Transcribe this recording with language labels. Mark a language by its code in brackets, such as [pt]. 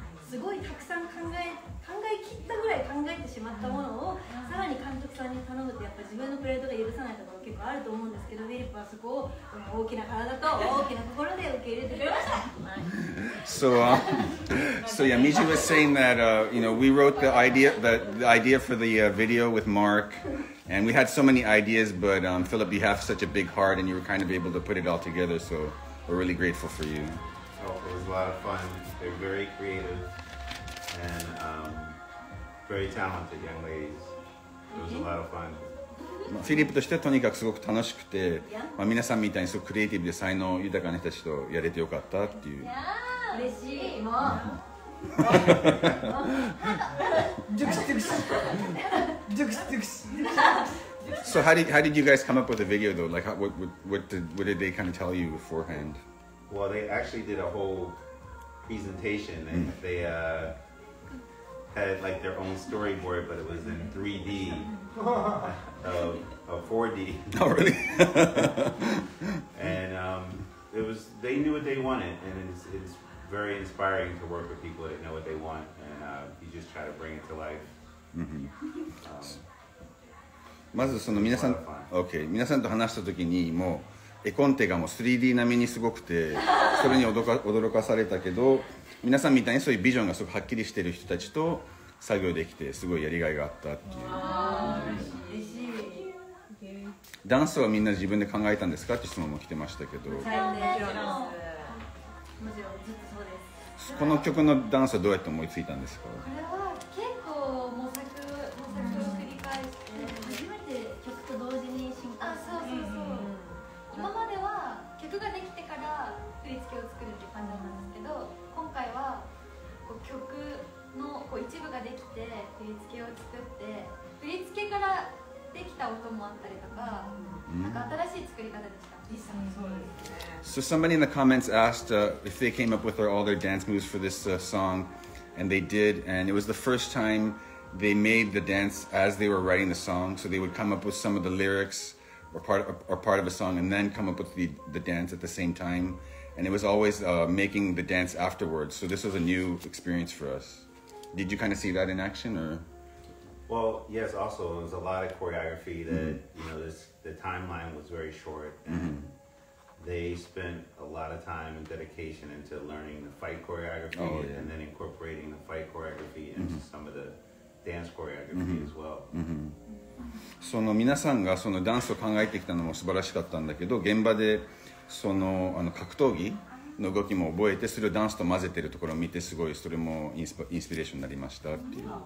[ja] すごいたくさん考えきったぐらい考えてしまったものをさらに監督さんに頼むってやっぱ自分のプレートが許さないところ結構あると思うんですけど、ウィリップはそこを大きな体と大きな心で受け入れてくれました。 [en] So, Miju was saying that, you know, we wrote the idea for the video with Mark, and we had so many ideas, but Philip, you have such a big heart, and you were kind of able to put it all together, so we're really grateful for you. Oh, it was a lot of fun. They're very creative and very talented young ladies. It was a lot of fun. [ja] まあ、フィリップとしてはとにかくすごく楽しくて、まあ、皆さんみたいにすごくクリエイティブで才能豊かな人たちとやれてよかったっていう。いやー嬉しい、もうジュクシジュクシジュクシジュクシ。 [en] So how did you guys come up with the video though? Like what did they kind of tell you beforehand? Well, they actually did a whole presentation and they had like their own storyboard, but it was in 3D of 4D. Oh, really? And it was, they knew what they wanted, and it's very inspiring to work with people that know what they want, and you just try to bring it to life. [ja] まずその皆さん、okay, 皆さんと話した時にもう絵コンテがもう 3D 並みにすごくて、それに驚かされたけど、皆さんみたいにそういうビジョンがすごくはっきりしている人たちと作業できてすごいやりがいがあったっていう。嬉しい。ダンスはみんな自分で考えたんですかって質問も来てましたけど。もちろんです。もちろんずっとそうです。この曲のダンスはどうやって思いついたんですか。これは結構模索を繰り返して、初めて曲と同時に進化して、今までは曲ができてから振り付けを作るって感じなんですけど、今回はこう曲のこう一部ができて振り付けを作って、振り付けからできた音もあったりとか、なんか新しい作り方でした。リサもそうですね。 [en] So somebody in the comments asked if they came up with all their dance moves for this song, and they did, and it was the first time they made the dance as they were writing the song, so they would come up with some of the lyricsor part of a song, and then come up with the dance at the same time. And it was always making the dance afterwards. So this was a new experience for us. Did you kind of see that in action, or? Well, yes, also, it was a lot of choreography that, you know, the timeline was very short. And they spent a lot of time and dedication into learning the fight choreography, and then incorporating the fight choreography into some of the dance choreography as well. [ja] その皆さんがそのダンスを考えてきたのも素晴らしかったんだけど、現場であの格闘技の動きも覚えて、それをダンスと混ぜてるところを見て、すごいそれもインスピレーションになりましたっていう。